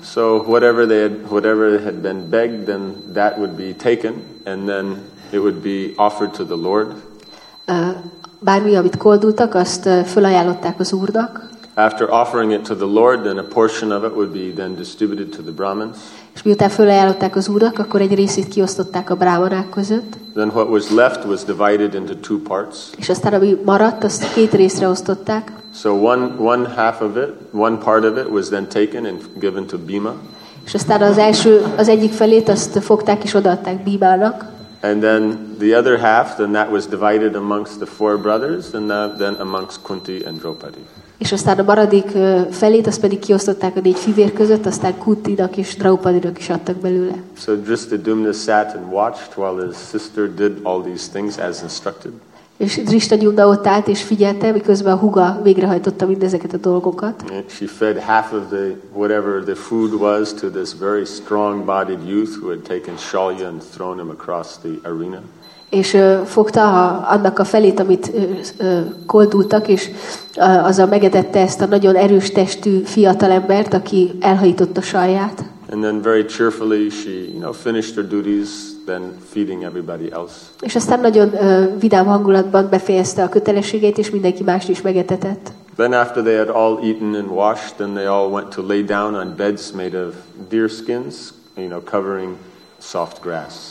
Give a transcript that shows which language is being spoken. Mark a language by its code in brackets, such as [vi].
[en] So whatever had been begged, then that would be taken, and then it would be offered to the Lord. [hu] Bármi, amit koldultak, azt felajánlották az Úrnak. [en] After offering it to the Lord, then a portion of it would be then distributed to the Brahmins. [hu] És miután felajánlották az Úrnak, akkor egy részét kiosztották a brámanák között. [en] Then what was left was divided into two parts. [hu] És aztán, ami maradt, azt két részre osztották. [en] So one half of it, one part of it was then taken and given to Bhima. [hu] És aztán az egyik felét azt fogták és odaadták Bhimának. [en] And then the other half, then that was divided amongst the four brothers, and then amongst Kunti and Draupadi. [hu] És aztán a maradék felét, azt pedig kiosztották a négy fivér között, aztán Kuntinak és Draupadinak is adtak belőle. [en] So Dhrishtadyumna sat and watched while his sister did all these things as instructed. [hu] És Dhrishtadyumna ott állt és figyelte, miközben a húga végrehajtotta mindezeket a dolgokat. [en] And she fed half of the whatever the food was to this very strong-bodied youth who had taken Shalya and thrown him across the arena. [hu] És fogta annak a felét, amit koldultak, és azzal megetette ezt a nagyon erős testű fiatalembert, aki elhajította Shalyát. [en] And then very cheerfully she, you know, finished her duties. Then feeding everybody else. [hu] És aztán nagyon vidám hangulatban befejezte a kötelességét, és mindenki mást is megetetett. [en] Then after they had all eaten and washed, then they all went to lay down on beds made of deer skins, you know, covering soft grass.